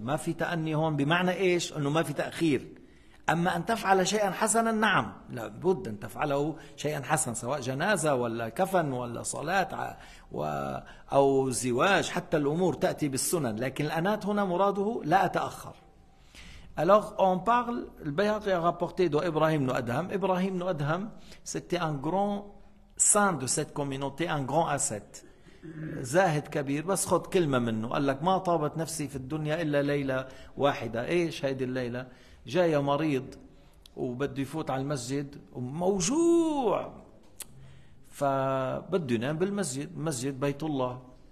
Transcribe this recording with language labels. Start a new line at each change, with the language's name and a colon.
Arabic: ما في تأني هون بمعنى إيش؟ أنه ما في تأخير. أما أن تفعل شيئا حسنا نعم. لا بد أن تفعله شيئا حسنا سواء جنازة ولا كفن ولا صلاة أو زواج. حتى الأمور تأتي بالسنن. لكن الأنات هنا مراده لا أتأخر.
French: Alors on parle, le Bayhaqi a rapporté de Ibrahim ibn Adham. Ibrahim ibn Adham, c'était un grand saint de cette communauté, un grand asset.
Arabic: زاهد كبير بس خد كلمة منه. قال لك ما طابت نفسي في الدنيا إلا ليلة واحدة. إيش هذه الليلة؟ جاي مريض وبده يفوت على المسجد وموجوع فبده ينام بالمسجد, مسجد بيت الله.